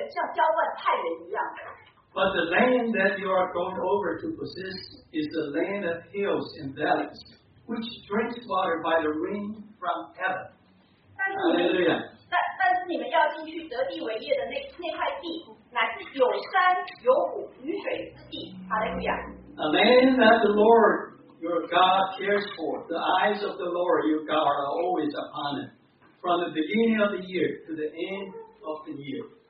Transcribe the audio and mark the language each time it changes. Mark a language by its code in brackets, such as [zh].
[zh] 你们要进去得地的那个块地，本来不像你们出来的埃及地，因为在埃及的时候，你们需要撒种，你们需要用脚浇灌，浇灌太原一样。 [en] But the land that you are going over to possess is the land of hills and valleys, which drinks water by the rain from heaven. Hallelujah. [zh] 但是你们要进去得地为业的那块地，乃是有山有谷、雨水之地。哈利路亚。 [en] A land that the Lord your God cares for, the eyes of the Lord your God are always upon it, from the beginning of the year to the end of the year.